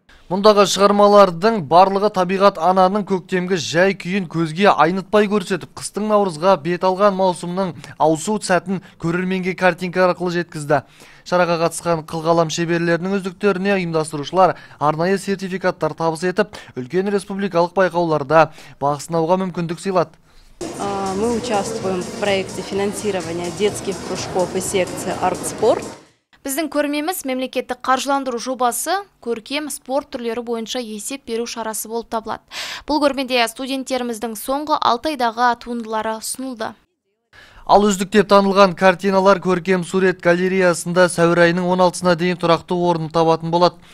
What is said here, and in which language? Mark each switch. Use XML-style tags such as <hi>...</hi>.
<kk>Мұндағы шығармалардың барлығы табиғат ананың көктемгі жай күйін көзге айнытпай көрсетіп, қыстың наурызға бет алған маусымның ауысу сәтін көрерменге картинка арқылы жеткізді. Шараға қатысқан қылғалам шеберлерінің үздіктеріне ұйымдастырушылар арнайы сертификаттар табыс етіп, үлкен республикалық байқауларда бақ сынауға мүмкіндік сыйлады.</kk> <ru>Мы участвуем в проекте финансирования детских кружков и секций «Артспорт».</ru> <kk>Біздің көрмеміз мемлекеттік қаржыландыру жобасы көркем спорт түрлері бойынша есеп беру шарасы болып табылады. Бұл көрмеде студенттеріміздің соңғы 6 айдағы туындылары ұсынылды. Ал үздік деп танылған картиналар көркем сурет галереясында сәуір айының 16-сына дейін тұрақты орын табатын болады.</kk>